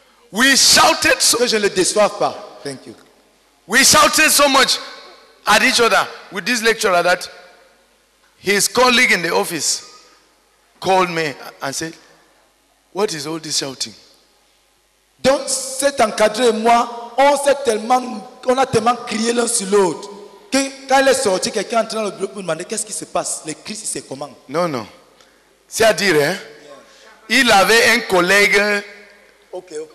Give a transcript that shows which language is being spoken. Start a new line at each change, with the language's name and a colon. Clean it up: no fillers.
English: We shouted so
French: que je ne le déçoive pas.
English: Thank you. We shouted so much at each other with this lecturer that his colleague in the office called me and said, what is all this shouting?
French: Donc cet encadré et moi, on a tellement crié l'un sur l'autre que quand il est sorti, quelqu'un est entré dans le bureau pour demander qu'est-ce qui se passe, les cris, c'est comment? Non. C'est-à-dire, hein, il avait un collègue. Ok.